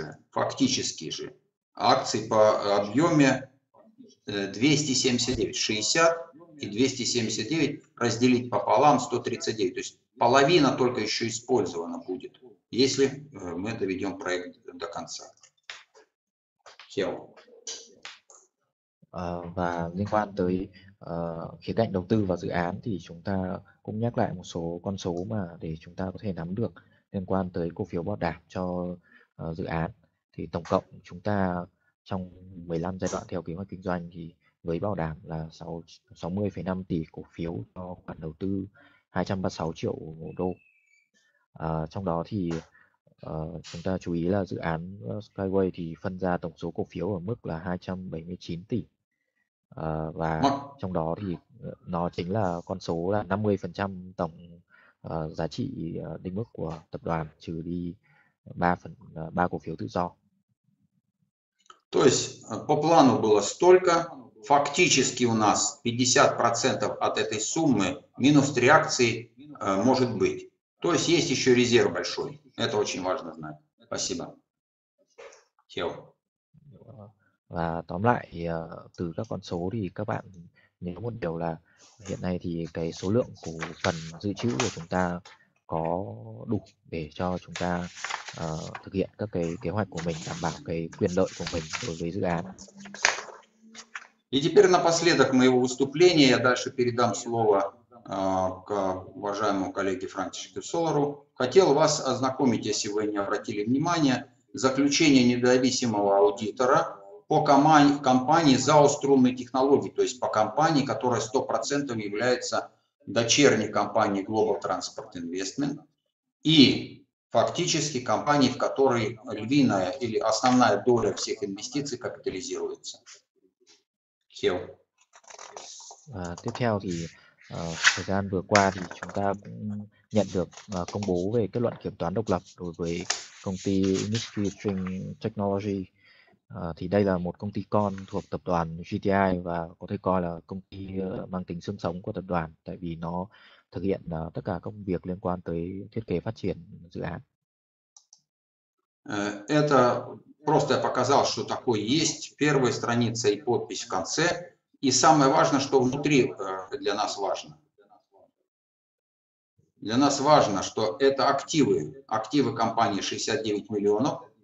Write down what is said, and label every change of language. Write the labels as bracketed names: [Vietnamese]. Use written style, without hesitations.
[Russian] Фактически же, акции по объеме 279, 60 и 279 разделить пополам 139. То есть половина только еще использована будет, если мы доведем проект до конца. Хео. [Vietnamese] Và liên quan tới khía cạnh đầu tư vào dự án thì chúng ta cũng nhắc lại một số con số mà để chúng ta có thể nắm được liên quan tới cổ phiếu bảo đảm cho dự án. Thì tổng cộng chúng ta trong 15 giai đoạn theo kế hoạch kinh doanh thì với bảo đảm là 60,5 tỷ cổ phiếu cho khoản đầu tư 236 triệu đô. Trong đó thì chúng ta chú ý là dự án Skyway thì phân ra tổng số cổ phiếu ở mức là 279 tỷ. Và trong đó thì nó chính là con số là 50% tổng giá trị định mức của tập đoàn trừ đi 3 cổ phiếu tự do. [Russian] То есть по плану было столько, фактически у нас 50% от этой суммы минус 3 акции может быть. То есть есть еще резерв большой. Это очень важно знать. Спасибо. Хео. [Vietnamese] Và tóm lại thì từ các con số thì các bạn nhớ một điều là hiện nay thì cái số lượng cổ phần dự trữ của chúng ta có đủ để cho chúng ta thực hiện các cái kế hoạch của mình, đảm bảo cái quyền lợi của mình đối với dự án. [Russian] И теперь напоследок моего выступления я дальше передам слово к уважаемому коллеге Франческо Солору. Хотел вас ознакомить, если вы не обратили внимание, заключение независимого аудитора по компании ZAO Струнные Технологии, то есть по компании, которая 100% является дочерней компанией Global Transport Investment и фактически компанией, в которой львиная или основная доля всех инвестиций капитализируется. Хео. [Vietnamese] Tiếp theo thì thời gian vừa qua thì chúng ta cũng nhận được công bố về kết luận kiểm toán độc lập đối với công ty Mitsui String Technology. Thì đây là một công ty con thuộc tập đoàn GTI và có thể coi là công ty mang tính xương sống của tập đoàn tại vì nó thực hiện tất cả công việc liên quan tới thiết kế phát triển dự án. [Russian] Это просто я показал, что такое есть. Первая страница и подпись в конце. И самое важное, что внутри для нас важно. Для нас важно, что это активы. Активы компании 69 миллионов.